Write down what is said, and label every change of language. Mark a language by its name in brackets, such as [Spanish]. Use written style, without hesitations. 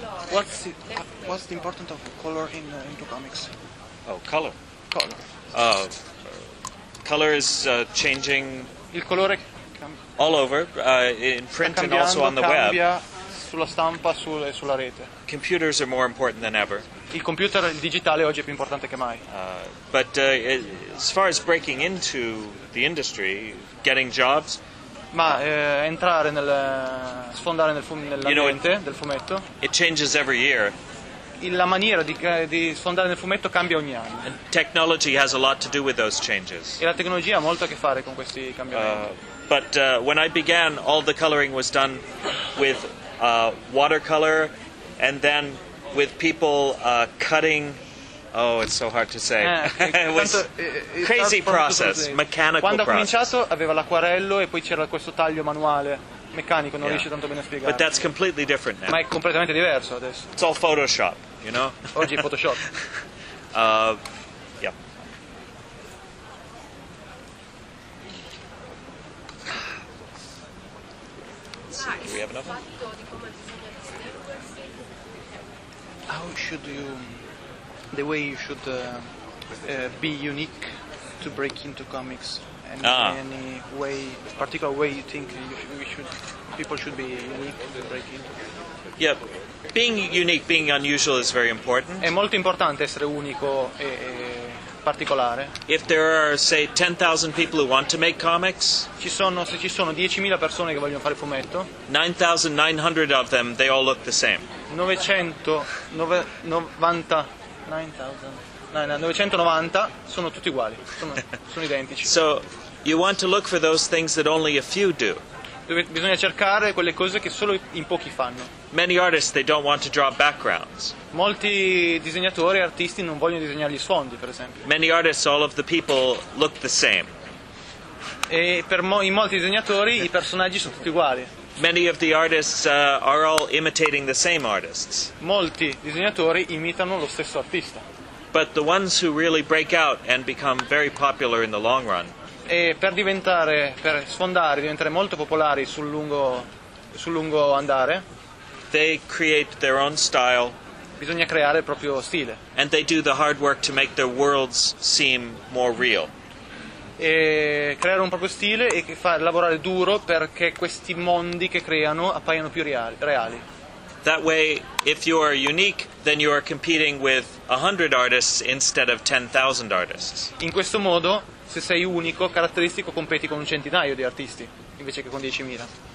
[English] What's the importance of color in into comics? Color. Color is changing. [Italian] Il colore [English] all over in print and also on the web. [Italian] Sulla stampa e sulla rete. [English] Computers are more important than ever. [Italian] Il computer digitale oggi è più importante che mai. [English] But as far as breaking into the industry, getting jobs. [Italian] Ma entrare nel sfondare nel nell'ambiente del fumetto. [English] It changes every year. [Italian] La maniera di sfondare nel fumetto cambia ogni anno. [English] And technology has a lot to do with those changes. [Italian] E la tecnologia ha molto a che fare con questi cambiamenti. [English] But when I began, all the coloring was done with watercolor, and then with people cutting. Oh, it's so hard to say. It was crazy process, mechanical. [Italian] Quando ha cominciato aveva l'acquarello e poi c'era questo taglio manuale meccanico. Non riesce tanto bene a spiegare. [English] But that's completely different now. [Italian] Ma è completamente diverso adesso. [English] It's all Photoshop, you know. [Italian] Oggi è Photoshop. [English] Do we have enough? How should you, the way you should be unique to break into comics, and any way, particular way you think people should be unique to break into? Yeah, being unique, being unusual is very important. [Italian] È molto importante essere unico e particolare. [English] If there are, say, 10,000 people who want to make comics, [Italian] se ci sono 10,000 persone che vogliono fare fumetto, [English] 9,900 of them, they all look the same. [Italian] 990 sono tutti uguali, sono identici. [English] So, You want to look for those things that only a few do. [Italian] Bisogna cercare quelle cose che solo in pochi fanno. [English] Many artists, they don't want to draw backgrounds. [Italian] Molti disegnatori e artisti non vogliono disegnare gli sfondi, per esempio. [English] Many artists, all of the people look the same. [Italian] E per molti disegnatori i personaggi sono tutti uguali. [English] Many of the artists are all imitating the same artists. [Italian] Molti disegnatori imitano lo stesso artista. [English] But the ones who really break out and become very popular in the long run. [Italian] E per sfondare, diventare molto popolari sul lungo andare. [English] They create their own style. [Italian] Bisogna creare il proprio stile. [English] And they do the hard work to make their worlds seem more real. [Italian] E creare un proprio stile e lavorare duro perché questi mondi che creano appaiano più reali. [English] That way, if you are unique, then you are competing with 100 artists instead of 10,000 artists. [Italian] In questo modo, se sei unico, caratteristico, competi con un centinaio di artisti invece che con 10,000.